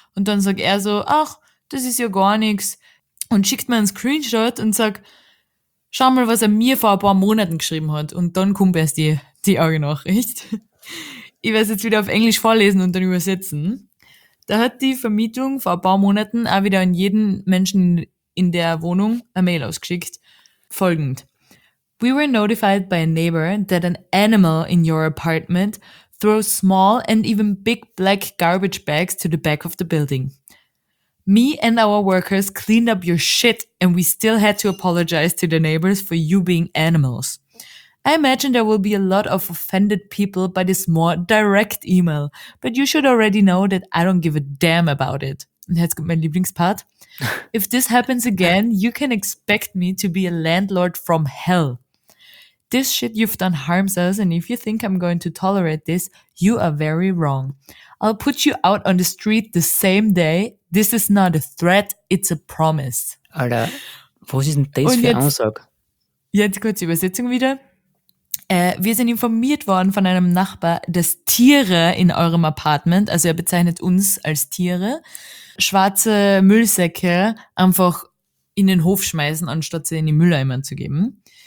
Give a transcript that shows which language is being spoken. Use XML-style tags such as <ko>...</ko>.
<de>Und dann sagt er so, ach, das ist ja gar nichts. Und schickt mir einen Screenshot und sagt, schau mal, was er mir vor ein paar Monaten geschrieben hat. Und dann kommt erst die Augennachricht. Ich werde es jetzt wieder auf Englisch vorlesen und dann übersetzen. Da hat die Vermietung vor ein paar Monaten auch wieder an jeden Menschen in der Wohnung eine Mail ausgeschickt. Folgend.</de> <en>We were notified by a neighbor that an animal in your apartment throws small and even big black garbage bags to the back of the building. Me and our workers cleaned up your shit and we still had to apologize to the neighbors for you being animals. I imagine there will be a lot of offended people by this more direct email, but you should already know that I don't give a damn about it.</en> <de>Und jetzt kommt mein Lieblingspart.</de> <en>If this happens again, you can expect me to be a landlord from hell. This shit you've done harms us, and if you think I'm going to tolerate this, you are very wrong. I'll put you out on the street the same day. This is not a threat, it's a promise.</en> <de>Alter, was ist denn das und für eine Ansage? Jetzt kurz die Übersetzung wieder. Wir sind informiert worden von einem Nachbar, dass Tiere in eurem Apartment, also er bezeichnet uns als Tiere, schwarze Müllsäcke einfach in den Hof schmeißen, anstatt sie in die Mülleimer zu geben.</de>